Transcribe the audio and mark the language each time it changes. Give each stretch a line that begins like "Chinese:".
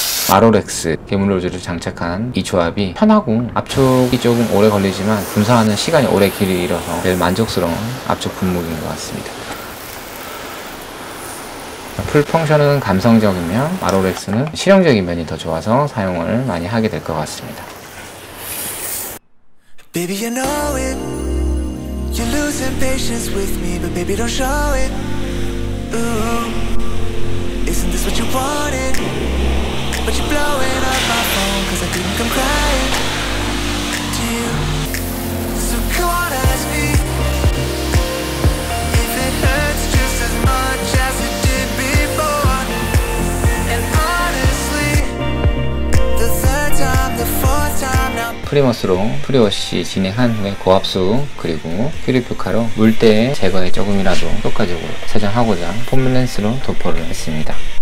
Korean: 아로렉스 괴물로즈를 장착한 이 조합이 편하고 압축이 조금 오래 걸리지만 분사하는 시간이 오래 길어서 매우 만족스러운 압축 분무기인 것 같습니다. 풀펑션은 감성적이며 아로렉스는 실용적인 면이 더 좋아서 사용을 많이 하게 될 것 같습니다.
English: Baby, you know it. You're losing patience with me, but baby don't show it. Ooh, isn't this what you wanted? But you're blowing up my phone, cause I couldn't come crying to you. So come on, ask me if it hurts just as much as it did before. And honestly, the third time, the fourth time now.
Korean: 프리머스로 프리워시 진행한 후에 고압수 그리고 퓨리퓨카로 물때의 제거에 조금이라도 효과적으로 세정하고자 폼렌스로 도포를 했습니다.